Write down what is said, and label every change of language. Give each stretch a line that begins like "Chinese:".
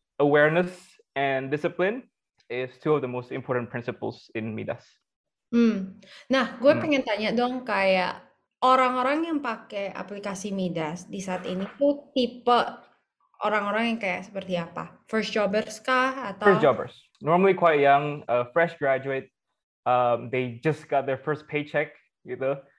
English: Awareness and discipline is two of the most important principles in Midas.
Indonesian: Nah, gue pengen tanya dong, kayak orang-orang yang pakai aplikasi Midas di saat ini tuh tipe orang-orang yang kayak seperti apa? First jobbers kah? Atau?
English: First jobbers. Normally quite young, fresh graduate. They just got their first paycheck, gitu.